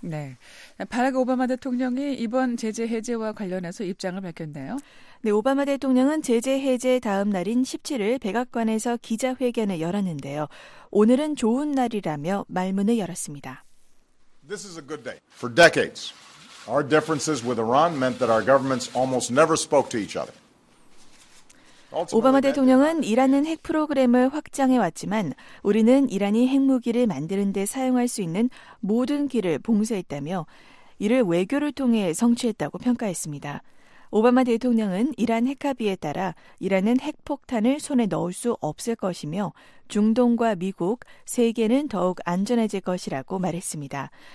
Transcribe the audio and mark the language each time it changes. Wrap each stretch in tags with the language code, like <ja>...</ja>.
<ko>네, 바락 오바마 대통령이 이번 제재 해제와 관련해서 입장을 밝혔네요. 네, 오바마 대통령은 제재 해제 다음 날인 17일 백악관에서 기자회견을 열었는데요. 오늘은 좋은 날이라며 말문을 열었습니다.</ko> <en>This is a good day for decades. Our differences with Iran meant that our governments almost never spoke to each other.</en> <ko>오바마 대통령은 이란은 핵 프로그램을 확장해 왔지만 우리는 이란이 핵무기를 만드는 데 사용할 수 있는 모든 길을 봉쇄했다며 이를 외교를 통해 성취했다고 평가했습니다. 오바마 대통령은 이란 핵합의에 따라 이란은 핵폭탄을 손에 넣을 수 없을 것이며 중동과 미국, 세계는 더욱 안전해질 것이라고 말했습니다.</ko>